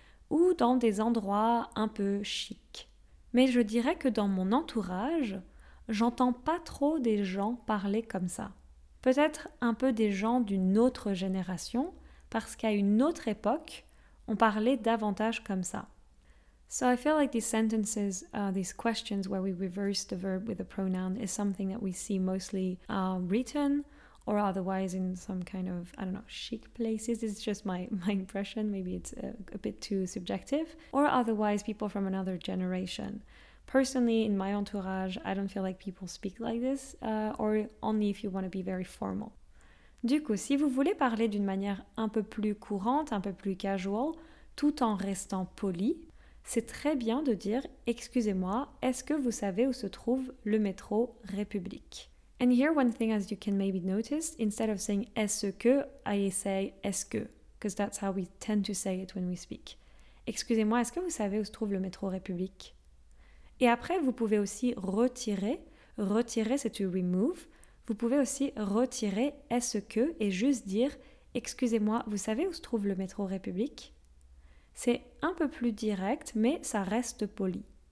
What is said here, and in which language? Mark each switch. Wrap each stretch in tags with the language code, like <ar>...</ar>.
<fr>Ou dans des endroits un peu chics. Mais je dirais que dans mon entourage, j'entends pas trop des gens parler comme ça. Peut-être un peu des gens d'une autre génération, parce qu'à une autre époque, on parlait davantage comme ça.</fr> <en>So I feel like these sentences, these questions where we reverse the verb with a pronoun is something that we see mostly written or otherwise in some kind of, I don't know, chic places. It's just my impression, maybe it's a bit too subjective. Or otherwise people from another generation. Personally, in my entourage, I don't feel like people speak like this, or only if you want to be very formal.</en> <fr>Du coup, si vous voulez parler d'une manière un peu plus courante, un peu plus casual, tout en restant poli, c'est très bien de dire « Excusez-moi, est-ce que vous savez où se trouve le métro République ?»</fr> <en>And here one thing as you can maybe notice, instead of saying «</en> <fr>Est-ce que ?»,</fr> <en>I say « Est-ce que ?» Because that's how we tend to say it when we speak.</en> <fr>« Excusez-moi, est-ce que vous savez où se trouve le métro République ?» Et après, vous pouvez aussi retirer. « Retirer », c'est «</fr> <en>to remove ».</en> <fr>Vous pouvez aussi retirer « est-ce que ?» et juste dire « Excusez-moi, vous savez où se trouve le métro République ?» C'est un peu plus direct, mais ça reste poli.</fr>